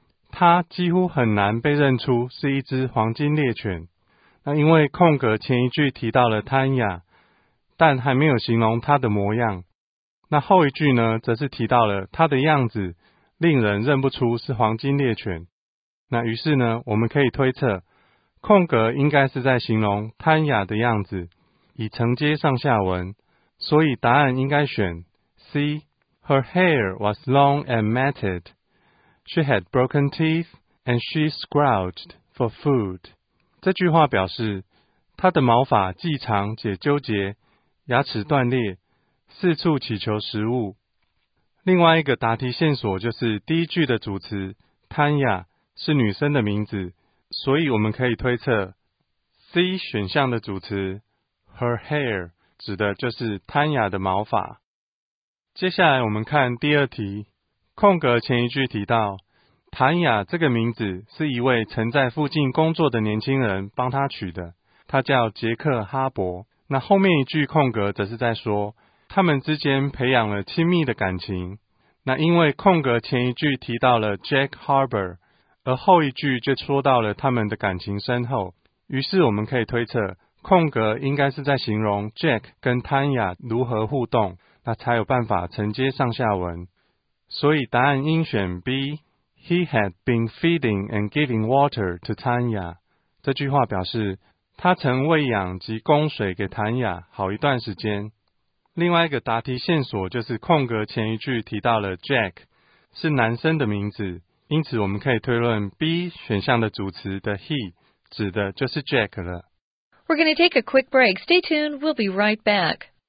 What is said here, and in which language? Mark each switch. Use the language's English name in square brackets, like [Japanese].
[Chinese] 它几乎很难被认出是一只黄金猎犬。那因为空格前一句提到了Tanya，但还没有形容它的模样。那后一句呢，则是提到了它的样子令人认不出是黄金猎犬。那于是呢，我们可以推测，空格应该是在形容Tanya的样子，以承接上下文。所以答案应该选 C. [English] Her hair was long and matted. She had broken teeth, and she scrouged for food. [Chinese] 这句话表示, 她的毛发既长且纠结, 牙齿断裂, 四处祈求食物。另外一个答题线索就是第一句的主词, Tanya, 是女生的名字, 所以我们可以推测, C选项的主词, [English] her hair, [Chinese] 指的就是Tanya的毛发。接下来我们看第二题, 空格前一句提到, 谭雅这个名字是一位曾在附近工作的年轻人帮他取的，他叫杰克哈伯。那后面一句空格则是在说，他们之间培养了亲密的感情。那因为空格前一句提到了Jack Harbor，而后一句就说到了他们的感情深厚。于是我们可以推测，空格应该是在形容Jack跟谭雅如何互动，那才有办法承接上下文。所以答案应选B。 [English] He had been feeding and giving water to Tanya. [Chinese] 这句话表示, 他曾喂养及供水给Tanya好一段时间。另外一个答题线索就是空格前一句提到了Jack, 是男生的名字, 因此我们可以推论B选项的主词的he, 指的就是Jack了。 [English] We're going to take a quick break. Stay tuned, we'll be right back.